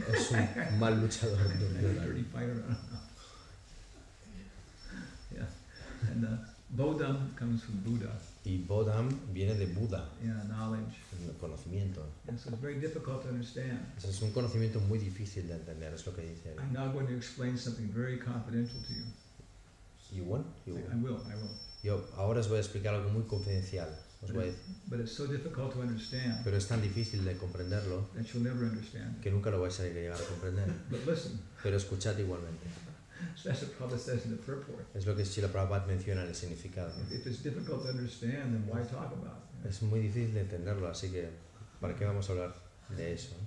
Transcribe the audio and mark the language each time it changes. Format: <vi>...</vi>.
<es>Es un mal luchador, Duryodhana.</es> <en>Dirty fighter. Yeah. And Bodham comes from Buddha.</en> <es>Y Bodham viene de Buda.</es> <en>Yeah, knowledge.</en> <es>El conocimiento.</es> <en>Yeah, so it's very difficult to understand.</en> <es>Es un conocimiento muy difícil de entender, es lo que dice.</es> <en>I'm now going to explain something very confidential to you. You won? I will.</en> <es>Yo ahora os voy a explicar algo muy confidencial.</es> <en>But it's so difficult to understand.</en> <es>Pero es tan difícil de comprenderlo.</es> <en>That you'll never understand.</en> <es>Que nunca lo vais a llegar a comprender.</es> <en>But listen.</en> <es>Pero escuchad igualmente.</es> <en>So that's what Prabhupada says in the purport.</en> <es>Es lo que Srila Prabhupada menciona en el significado.</es> <en>If it's difficult to understand, then why talk about it?</en> <es>Es muy difícil de entenderlo, así que ¿para qué vamos a hablar de eso?</es>